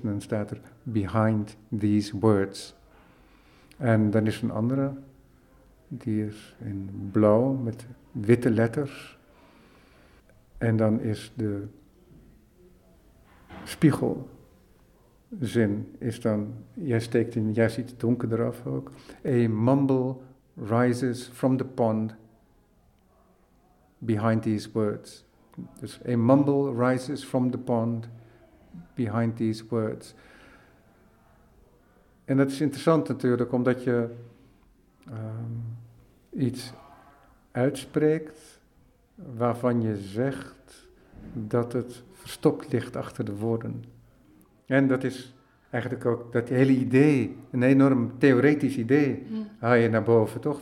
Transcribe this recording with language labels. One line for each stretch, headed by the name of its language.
Dutch: En dan staat er
English: behind these words.
Dutch: En dan is er een andere. Die is in blauw met witte letters. En dan is de spiegel. Zin is dan, jij ziet het donker eraf ook.
English: A mumble rises from the pond behind these words.
Dutch: Dus
English: a mumble rises from the pond behind these words.
Dutch: En dat is interessant natuurlijk, omdat je iets uitspreekt waarvan je zegt dat het verstopt ligt achter de woorden. En dat is eigenlijk ook dat hele idee, een enorm theoretisch idee, haal je naar boven, toch?